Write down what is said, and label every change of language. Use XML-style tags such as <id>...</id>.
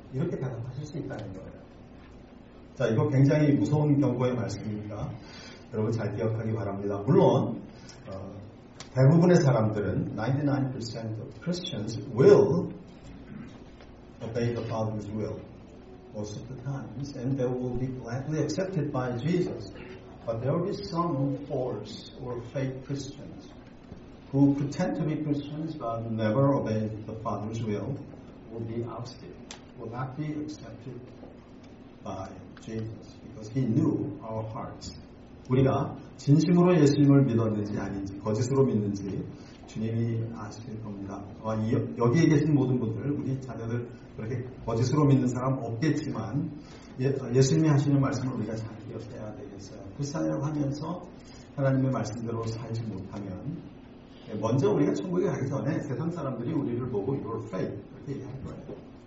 <ko>이렇게 대답하실 수 있다는 거예요. 자, 이거 굉장히 무서운 경고의 말씀입니다. 여러분 잘 기억하기 바랍니다. 물론 대부분의 사람들은</ko> <en>99% of Christians will obey the Father's will most of the times and they will be gladly accepted by Jesus. But there will be some false or fake Christians who pretend to be Christians but never obey the Father's will be ousted, will not be accepted by Jesus, because he knew our hearts.</en> <ko>우리가 진심으로 예수님을 믿었는지 아닌지, 거짓으로 믿는지 주님이 아실 겁니다. 여기에 계신 모든 분들, 우리 자녀들 그렇게 거짓으로 믿는 사람 없겠지만 예수님이 하시는 말씀을 우리가 잘 기억해야 되겠어요. 불사를 하면서 하나님의 말씀대로 살지 못하면 먼저 우리가 천국에 가기 전에 세상 사람들이 우리를 보고</ko> <en>your faith</en> <ko>이렇게 얘기할 거예요.</ko>